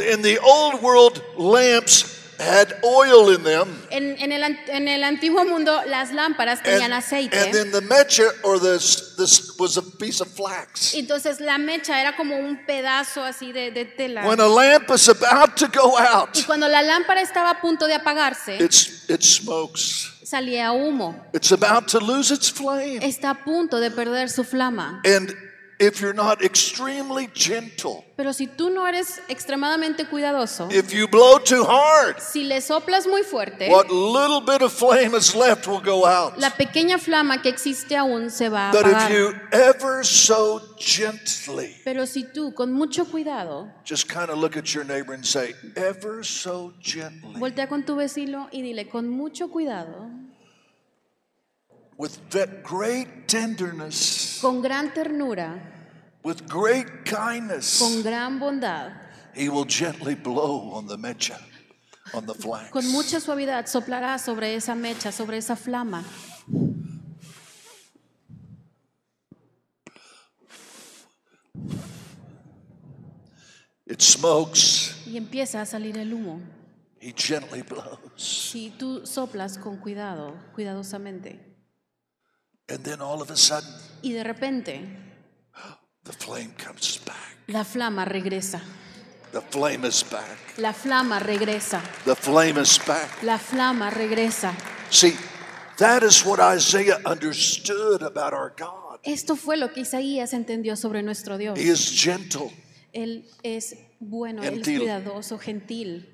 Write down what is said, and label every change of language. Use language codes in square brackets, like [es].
[en] In the old world, lamps had oil in them. [es] En el antiguo mundo, las lámparas tenían aceite. [en] And then the mecha or this was a piece of flax. [es] Entonces la mecha era como un pedazo así de tela. [en] When a lamp is about to go out, [es] y cuando la lámpara estaba a punto de apagarse, [en] it smokes. [es] Salía humo. [en] It's about to lose its flame. [es] Está a punto de perder su flama. [en] And if you're not extremely gentle, [es] pero si tú no eres extremadamente cuidadoso, [en] if you blow too hard, [es] si le soplas muy fuerte, [en] what little bit of flame is left will go out. [es] La pequeña flama que existe aún se va a [en] but [es] apagar. [en] If you ever so gently, [es] pero si tú con mucho cuidado, [en] just kind of look at your neighbor and say, ever so gently, [es] voltea con tu vecino y dile con mucho cuidado. [en] With that great tenderness, [es] con gran ternura, [en] with great kindness, [es] con gran bondad, [en] he will gently blow on the mecha, on the flax. [es] Con mucha suavidad soplará sobre esa mecha, sobre esa flama. [en] It smokes. [es] Y empieza a salir el humo. [en] He gently blows. [es] Si tú soplas con cuidado, cuidadosamente. [en] And then all of a sudden, [es] y de repente, [en] the flame comes back. [es] La flama regresa. [en] The flame is back. [es] La flama regresa. [en] The flame is back. [es] La flama regresa. [en] See, that is what Isaiah understood about our God. [es] Esto fue lo que Isaías entendió sobre nuestro Dios. [en] He is gentle. [es] Él es bueno, gentil. Él es cuidadoso, gentil.